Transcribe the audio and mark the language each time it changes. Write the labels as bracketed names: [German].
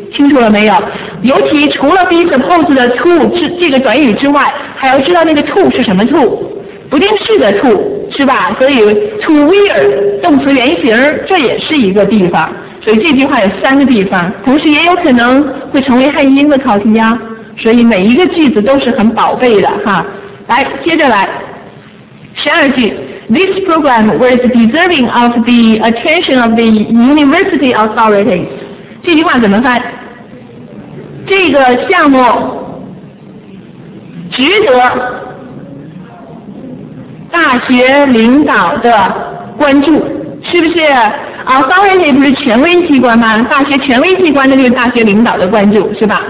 [Chinese] 清楚了没有？尤其除了 be supposed 的 to 这个短语之外，还要知道那个 to 是什么 to， 不定式的 to 是吧？所以 to where 动词原形，这也是一个地方。所以这句话有三个地方，同时也有可能会成为汉英英的考题呀。所以每一个句子都是很宝贝的哈。来，接着来，十二句。 [English] This program was deserving of the attention of the university authorities. [Chinese] 这句话怎么翻？这个项目值得大学领导的关注，是不是？ Authority 不是权威机关吗？大学权威机关的就是大学领导的关注，是吧？